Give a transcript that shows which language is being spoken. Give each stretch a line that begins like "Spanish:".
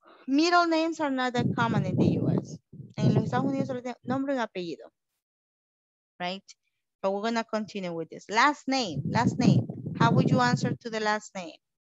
English: Middle names are not that common in the US.
Spanish: En los Estados Unidos solo tienen nombre y apellido, right?
English: But we're gonna continue with this. Last name. How would you answer to the last name?